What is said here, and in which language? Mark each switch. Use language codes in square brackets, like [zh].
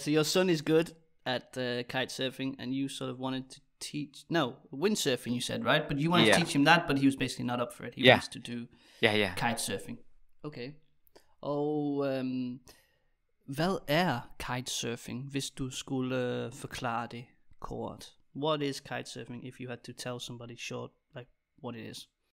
[en] So your son is good at kitesurfing, and you sort of wanted to teach... No, windsurfing, you said, right? But you wanted to teach him that, but he was basically not up for it. He wants to do kitesurfing. Okay. [da] Og hvad er kitesurfing, hvis du skulle forklare det kort? [en] What is kitesurfing if you had to tell somebody short, like, what it is?